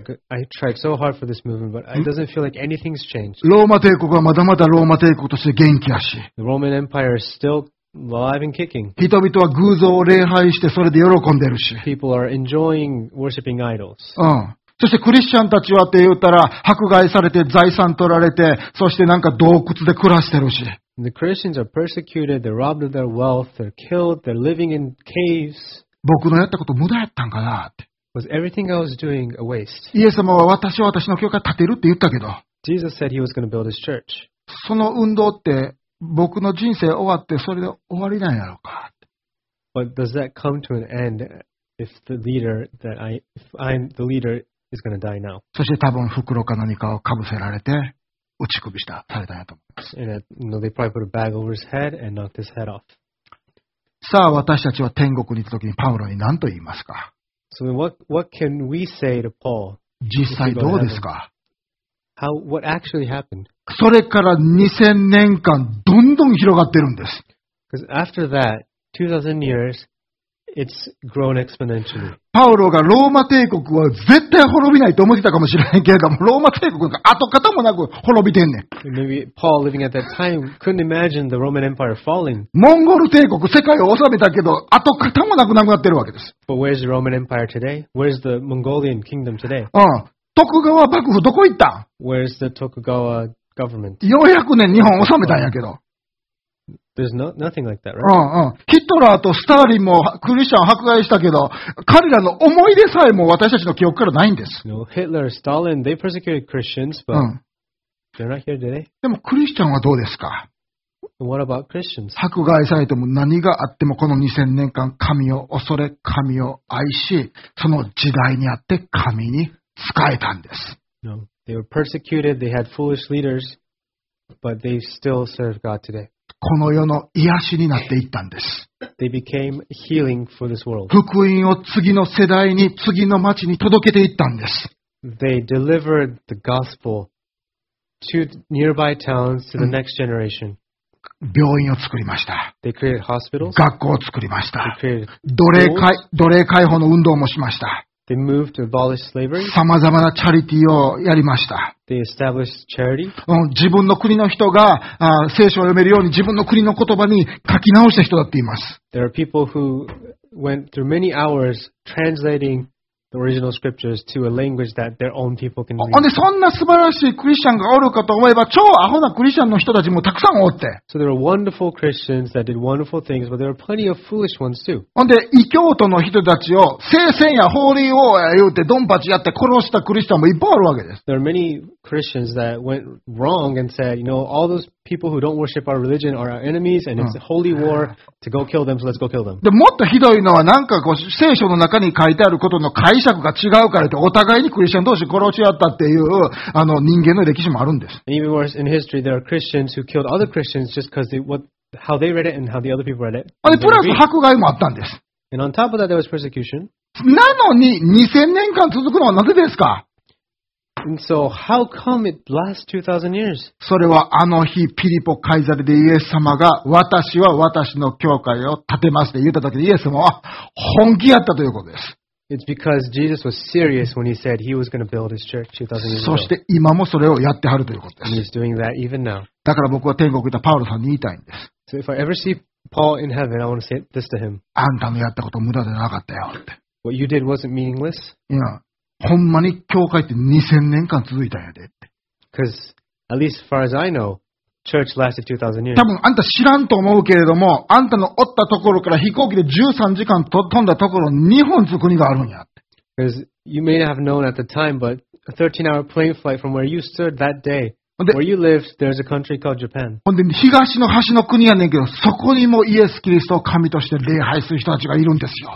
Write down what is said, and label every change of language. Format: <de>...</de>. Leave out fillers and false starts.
<en>I tried so hard for this movement, but it doesn't feel like anything's changed.</en> <ja>ローマ帝国はまだまだローマ帝国として元気やし。</ja> <en>The Roman Empire is still alive and kicking.</en> <ja>人々は偶像を礼拝してそれで喜んでるし。</ja> <en>People are enjoying worshiping idols.</en> <ja>そしてクリスチャンたちはって言ったら迫害されて財産取られてそしてなんか洞窟で暮らしてるし。</ja> <en>The Christians are persecuted, they're robbed of their wealth, they're killed, they're living in caves.</en> <ja>僕のやったこと無駄やったんかなって。</ja> <en>Was everything I was doing a waste?</en> <ja>イエス様は私は私の教会建てるって言ったけど。</ja> <en>Jesus said he was going to build his church.</en> <ja>その運動って僕の人生終わってそれで終わりなんやろうかって。</ja> <en>But does that come to an end if the leader that I'm the leader is going to die now.</en> <ja>そして多分袋か何かをかぶせられて打ち首したされたんやと思います。</ja> <en>And that, you know, they probably put a bag over his head and knocked his head off.</en> <ja>さあ私たちは天国に行った時にパウロに何と言いますか。</ja> <en>So what can we say to Paul?</en> <ja>実際どうですか。</ja> <en>How, what actually happened?</en> <ja>それから2000年間どんどん広がってるんです。</ja> <en>Because after that, 2000 years, it's grown exponentially.</en> <ja>パウロがローマ帝国は絶対滅びないと思ってたかもしれないけれども、ローマ帝国が跡形もなく滅びてんねん。</ja> <en>Maybe Paul living at that time couldn't imagine the Roman Empire falling.</en> <ja>モンゴル帝国世界を治めたけど跡形もなくなくなってるわけです。</ja> <en>But where's the Roman Empire today? Where's the Mongolian kingdom today?</en> <ja>徳川幕府どこ行った？</ja> <en>Where's the Tokugawa government?</en> <ja>400年日本治めたんやけど。</ja> <en>There's no, nothing like that, right?</en> <ja>ヒトラーとスターリンもクリスチャンを迫害したけど、彼らの思い出さえも私たちの記憶からないんです。</ja> <en>No, Hitler, Stalin, they persecuted Christians, but they're not here today.</en> <ja>でもクリスチャンはどうですか？</ja> <en>What about Christians?</en> <ja>迫害されても何があってもこの2000年間神を恐れ、神を愛し、その時代にあって神に仕えたんです。</ja> <en>No, they were persecuted, they had foolish leaders, but they still serve God today.</en> <ja>この世の癒しになっていったんです。</ja> <en>They became healing for this world.</en> <ja>福音を次の世代に、次の町に届けていったんです。</ja> <en>They delivered the gospel to nearby towns to the next generation.</en> <ja>病院を作りました。</ja> <en>They created hospitals.</en> <ja>学校を作りました。</ja> <en>They created schools.</en> <ja>奴隷解放の運動もしました。</ja> <en>They moved to abolish slavery.</en> <ja>さまざまなチャリティーをやりました。</ja> <en>They established charity.</en> <ja>自分の国の人が聖書を読めるように自分の国の言葉に書き直した人だっています。</ja> <en>There are people who went through many hours translating the original scriptures to a language that their own people can read.</en> <ja>でそんな素晴らしいクリスチャンがおるかと思えば超アホなクリスチャンの人たちもたくさんおって。</ja> <en>So there are wonderful Christians that did wonderful things, but there are plenty of foolish ones too.</en> <ja>で異教徒の人たちを聖戦やホーリーウォーや言うてドンパチやって殺したクリスチャンもいっぱいあるわけです。</ja> <en>There are many Christians that went wrong and said, you know, all those people who don't worship our religion are our enemies and it's a holy war to go kill them, so let's go kill them.</en> <ja>でもっとひどいのはなんかこう聖書の中に書いてあることの解釈が違うからってお互いにクリスチャン同士殺し合ったっていう人間の歴史もあるんです。</ja> <en>Even worse, in history, there are Christians who killed other Christians just because they, what, how they read it and how the other people read it.</en> <ja>で、プラス迫害もあったんです。</ja> <en>And on top of that, there was persecution.</en> <ja>なのに2000年間続くのはなぜですか？</ja> <en>And so, how come it lasts 2000 years?</en> <ja>それはあの日、ピリポ・カイザルでイエス様が私は私の教会を建てますって言った時にイエス様は本気やったということです。</ja> <en>It's because Jesus was serious when he said he was going to build his church 2000 years ago.</en> <ja>そして今もそれをやってはるということです。</ja> <en>And he's doing that even now.</en> <ja>だから僕は天国行ったパウロさんに言いたいんです。</ja> <en>So if I ever see Paul in heaven, I want to say this to him.</en> <ja>あんたのやったこと無駄でなかったよって。</ja> <en>What you did wasn't meaningless.</en> <ja>いや、ほんまに教会って2000年間続いたんやでって。</ja> <en>Because at least as far as I know,Church lasted 2000 years.</en> <ja>多分あんた知らんと思うけれども、あんたのおったところから飛行機で13時間飛んだところに日本の国があるんや。</ja> <en>Because you may have known at the time, but a 13-hour plane flight from where you stood that day, where you lived, there's a country called Japan.</en> <ja>ほんで東の端の国やねんけど、そこにもイエス・キリストを神として礼拝する人たちがいるんですよ。</ja>